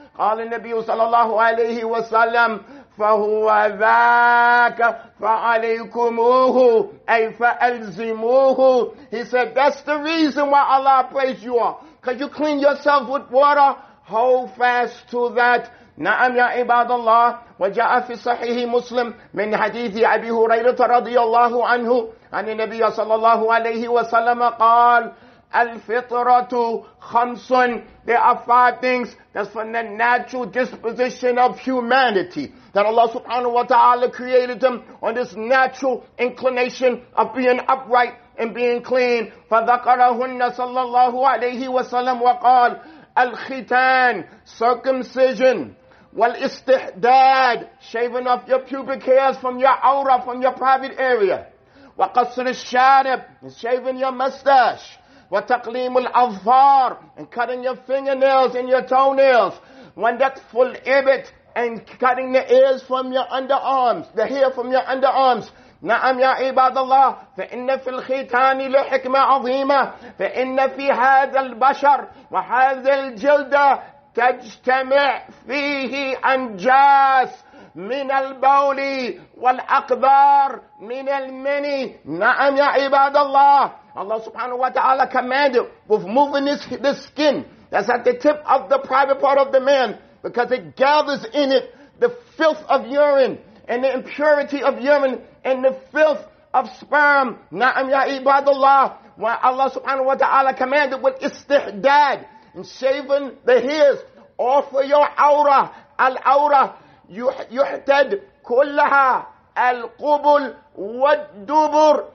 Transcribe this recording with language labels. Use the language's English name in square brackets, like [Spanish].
[Arabic] قَالَ النَّبِيُّ صَلَى اللَّهُ عَلَيْهِ وَسَلَّمْ فَهُوَ ذَاكَ فَعَلَيْكُمُوهُ أَيْ فَأَلْزِمُوهُ. [English] He said, that's the reason why Allah praised you all. Because you clean yourself with water. Hold fast to that. [Arabic] نعم يا عباد الله. وجاء في صحيح مسلم من حديث أبي هريرة رضي الله عنه عن النبي صلى الله عليه وسلم قال الفطرة خمس. [English] There are five things that's from the natural disposition of humanity, that Allah subhanahu wa ta'ala created them on this natural inclination of being upright and being clean. [Arabic] فذكرهن صلى الله عليه وسلم وقال الختان [English] circumcision. والاستحداد shaving off your pubic hairs from your aura, from your private area. [Arabic] وقصر الشارب [English] shaving your mustache. [Arabic] وتقليم الأظفار [English] and cutting your fingernails and your toenails. [Arabic] ونتف الإبط [English] and cutting the ears from your underarms, the hair from your underarms. [Arabic] نعم يا عباد الله فإن في الختان لحكمة عظيمة فإن في هذا البشر وهذا الجلد تجتمع فيه أنجاس من البول والأقدار من المني. نعم يا عباد الله. [English] Allah subhanahu wa ta'ala commanded with moving this skin that's at the tip of the private part of the man, because it gathers in it the filth of urine and the impurity of urine and the filth of sperm. [Arabic] Na'am ya ibadullah. [English] When Allah subhanahu wa ta'ala commanded with istihdad and shaving the hairs off of your aura, al-aura, [Arabic] yuhtad kullaha al-qubul wa-dubur.